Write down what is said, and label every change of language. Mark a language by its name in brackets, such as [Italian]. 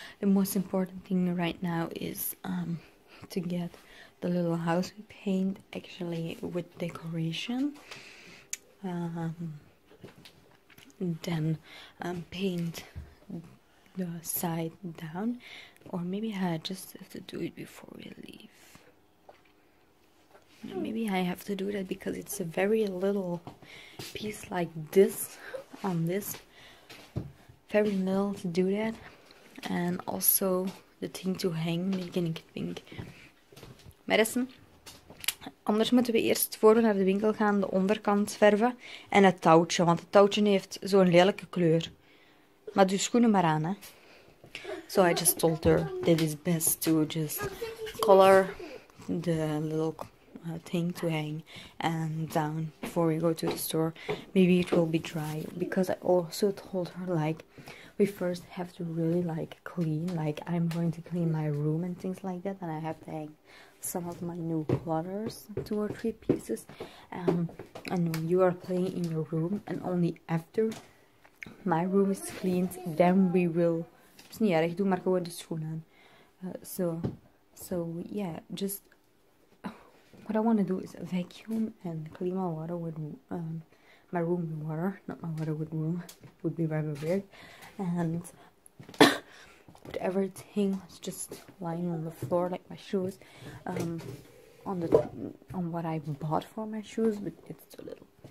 [English] The most important thing right now is to get the little house we paint actually with decoration, then paint the side down, or maybe I just have to do it before we leave. Maybe I have to do that because it's a very little piece like this on this, very little to do that, and also the thing to hang, making it pink. [Dutch] Madison, anders moeten we eerst voor naar de winkel gaan, de onderkant verven en het touwtje, want het touwtje heeft zo'n lelijke kleur. Maar doe schoenen maar aan, hè. [English] So I just told her that it's best to just color the little thing to hang and down before we go to the store. Maybe it will be dry because I also told her, like, we first have to really, like, clean. Like, I'm going to clean my room and things like that. And I have to hang some of my new clutters, two or three pieces. And when you are playing in your room and only after my room is cleaned, then we will... It's not bad, [Dutch] do maar gewoon de schoenen aan. [English] So yeah, just what I want to do is vacuum and clean my water with my room with water, not my water with room, would be very weird. And put everything just lying on the floor, like my shoes, on what I bought for my shoes, but it's too little.